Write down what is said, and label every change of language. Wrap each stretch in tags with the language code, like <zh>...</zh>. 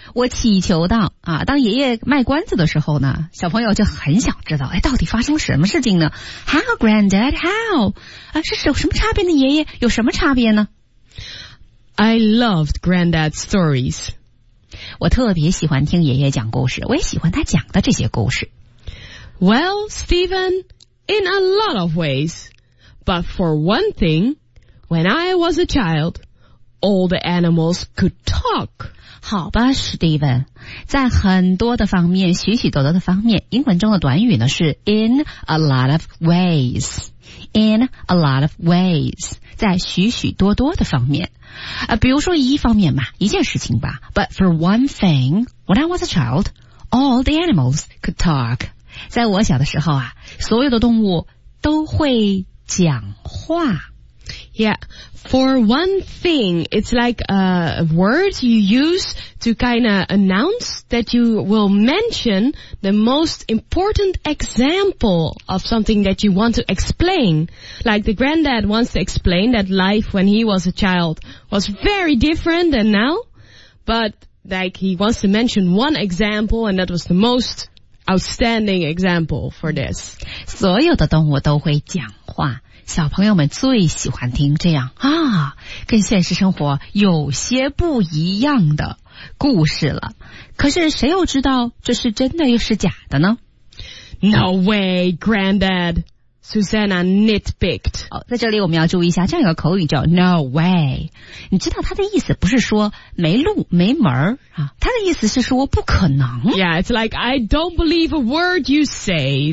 <zh>我祈求到啊，当爷爷卖关子的时候呢，小朋友就很想知道，哎，到底发生什么事情呢 ?</zh> <en>How, Granddad? How?</en> <zh>啊，是有什么差别呢？爷爷有什么差别呢？</zh> <en>I loved Granddad's stories.</en> <zh>我特别喜欢听爷爷讲故事，我也喜欢他讲的这些故事。</zh> <en>Well, Stephen, in a lot of ways. But for one thing, when I was a child, all the animals could talk.</en> <zh>好吧，Stephen，在很多的方面，许许多多的方面，英文中的短语呢是</zh> <en>in a lot of ways. In a lot of ways.</en> <zh>在许许多多的方面比如说一方面嘛一件事情吧</zh> <en>But for one thing, when I was a child, all the animals could talk.</en> <zh>在我小的时候啊所有的动物都会讲话。</zh> <en>Yeah, for one thing, it's like a word you use to kind of announce that you will mention the most important example of something that you want to explain. Like the granddad wants to explain that life when he was a child was very different than now, but like he wants to mention one example, and that was the most outstanding example for this.</en> <zh>所有的动物都会讲话，小朋友们最喜欢听这样啊，跟现实生活有些不一样的故事了。可是谁又知道这是真的又是假的呢？</zh> <en>No way, Granddad. Susanna nitpicked.</en> <zh>在这里我们要注意一下，这样一个口语叫</zh> <en>No way.</en> <zh>你知道他的意思不是说没路没门啊，他的意思是说不可能。</zh> <en>Yeah, it's like, I don't believe a word you say.</en>